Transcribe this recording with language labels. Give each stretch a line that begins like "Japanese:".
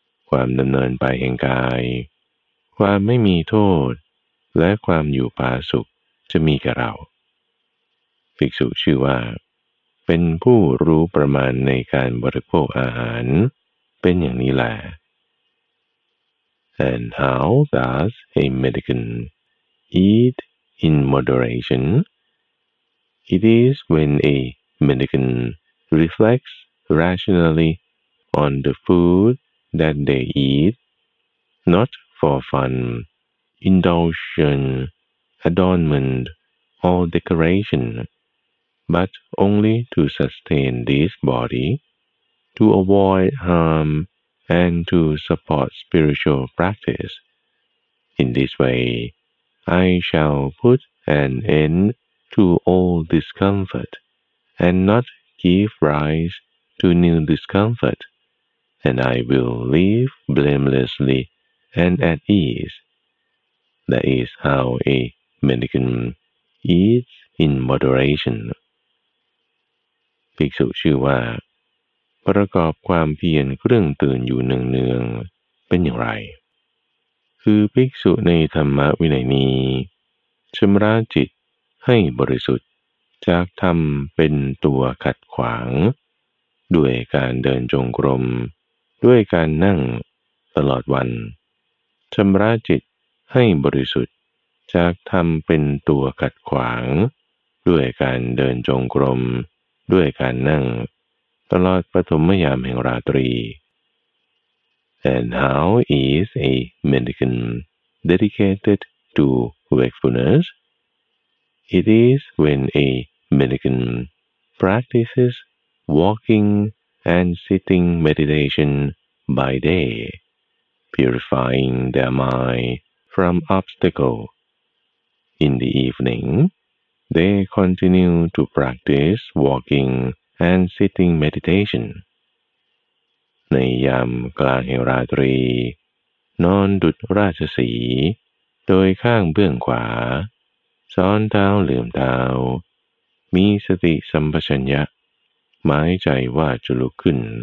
Thai: ความดำเนินไปแห่งกายความไม่มีโทษและความอยู่ผาสุกจะมีกับเราภิกษุชื่อว่าเป็นผู้รู้ประมาณในการบริโภคอาหารเป็นอย่างนี้แหละ
English: And how does a mendicant eat in moderation? It is when a mendicant reflects rationally on the food that they eat, notFor fun, indulgence, adornment, or decoration, but only to sustain this body, to avoid harm, and to support spiritual practice. In this way, I shall put an end to all discomfort, and not give rise to new discomfort, and I will live blamelessly. And at ease. That is how a mendicant eats in moderation.
Thai: ภิกษุชื่อว่าประกอบความเพียรเครื่องตื่นอยู่เนืองๆเป็นอย่างไรคือภิกษุในธรรมวินัยนี้ชำระจิตให้บริสุทธิ์จากธรรมเป็นตัวขัดขวาง ด้วยการเดินจงกรมด้วยการนั่งตลอดวันชำระจิตให้บริสุทธิ์จากธรรมเป็นตัวขัดขวางด้วยการเดินจงกรมด้วยการนั่งตลอดปฐมยามแห่งราตรี
English: And how is a mendicant dedicated to wakefulness? It is when a mendicant practices walking and sitting meditation by day. Purifying their mind from obstacle. In the evening, they continue to practice walking and sitting meditation.
Thai: ในยามกลางแห่งราตรีนอนดุจราชสีโดยข้างเบื้องขวาซ้อนเท้าเหลื่อมเท้ามีสติสัมปชัญญะหมายใจว่าจะลุกขึ้น